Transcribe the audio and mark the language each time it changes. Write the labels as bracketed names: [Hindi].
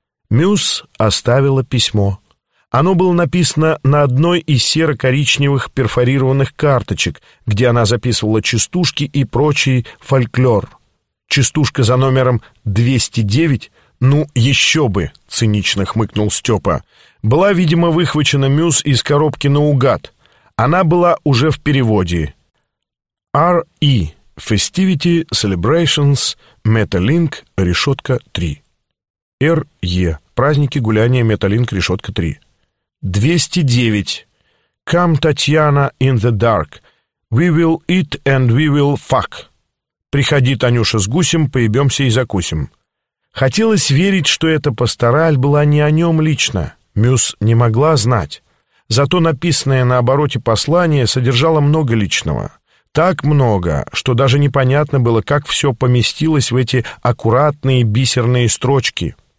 [Russian] Мюс оставила письмо. Оно было написано на одной из серо-коричневых перфорированных карточек, где она записывала частушки и прочий фольклор. «Частушка за номером 209? Ну, еще бы!» — цинично хмыкнул Степа. «Была, видимо, выхвачена Мюс из коробки наугад. Она была уже в переводе. R.E. [English] Festivity Celebrations Metalink Решетка 3. R.E. [Russian] Праздники гуляния Metalink Решетка 3. 209. [English] Come Tatiana in the dark. We will eat and we will fuck. [Russian] Приходи, Танюша, с гусем, поебемся и закусим. Хотелось верить, что эта пастораль была не о нем лично. Мюс не могла знать. Зато написанное на обороте послание содержало много личного. Так много, что даже непонятно было, как все поместилось в эти аккуратные бисерные строчки.